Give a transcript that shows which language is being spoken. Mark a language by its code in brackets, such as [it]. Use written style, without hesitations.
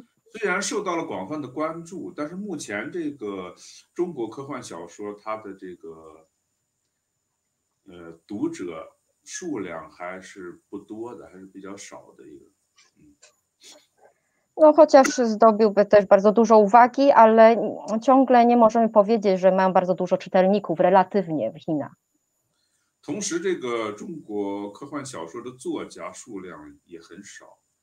[zh] 虽然受到了广泛的关注，但是目前这个中国科幻小说它的这个读者数量还是不多的，还是比较少的一个。 [pl] No chociaż zdobiłby też bardzo dużo uwagi, ale ciągle nie możemy powiedzieć, że mają bardzo dużo czytelników relatywnie w Chinach. [zh] 同时，这个中国科幻小说的作家数量也很少。